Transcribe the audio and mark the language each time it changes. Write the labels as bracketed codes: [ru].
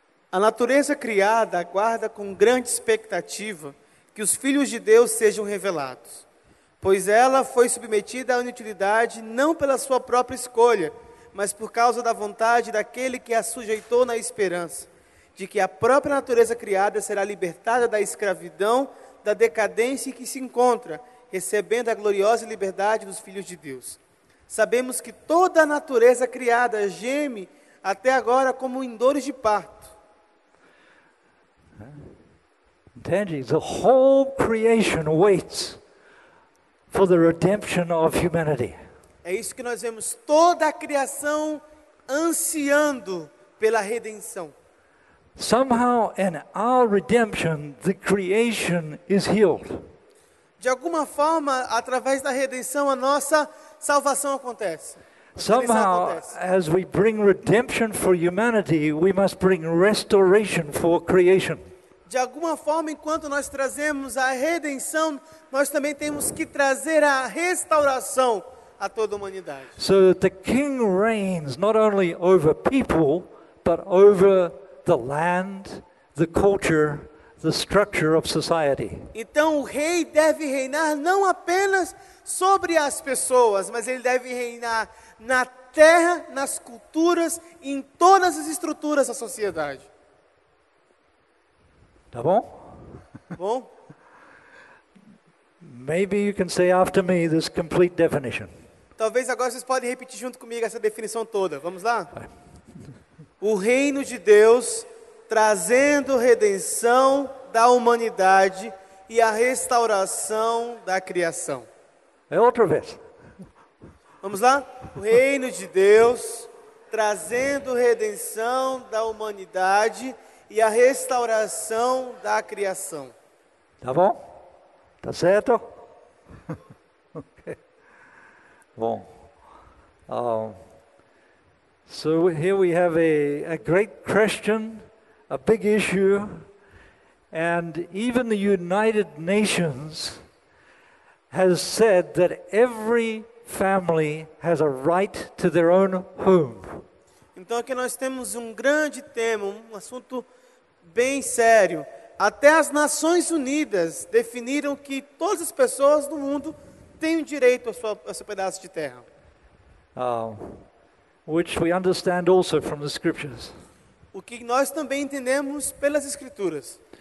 [pt] A natureza criada aguarda com grande expectativa que os filhos de Deus sejam revelados, pois ela foi submetida à inutilidade não pela sua própria escolha, mas por causa da vontade daquele que a sujeitou na esperança de que a própria natureza criada será libertada da escravidão, da decadência em que se encontra, recebendo a gloriosa liberdade dos filhos de Deus. Sabemos que toda a natureza criada geme até agora como em dores de parto. Entende? [en] The whole creation waits for the redemption of humanity. [pt] É isso que nós vemos. Toda a criação ansiando pela redenção. [en] Somehow in our redemption, the creation is healed. [pt] De alguma forma, através da redenção, a nossa salvação acontece. [en] Somehow, as we bring redemption for humanity, we must bring restoration for creation. [pt] De alguma forma, enquanto nós trazemos a redenção, nós também temos que trazer a restauração a toda a humanidade. [en] So that the king reigns not only over people, but over the land, the culture, the structure of society. [pt] Então o rei deve reinar não apenas sobre as pessoas, mas ele deve reinar na terra, nas culturas, em todas as estruturas da sociedade. Tá bom? Bom. [en] Maybe you can say after me this complete definition. [pt] Talvez agora vocês podem repetir junto comigo essa definição toda. Vamos lá? O reino de Deus trazendo redenção da humanidade e a restauração da criação. É outra vez. Vamos lá? O reino de Deus trazendo redenção da humanidade e a restauração da criação. Tá bom? Tá certo? Ok. Bom. [en] So here we have a great question, a big issue, and even the United Nations has said that every family has a right to their own home. [pt] Então aqui nós temos um grande tema, um assunto bem sério. Até as Nações Unidas definiram que todas as pessoas do mundo têm o direito a seu pedaço de terra. [en] Which we understand also from the scriptures. [pt] O que nós também entendemos pelas escrituras.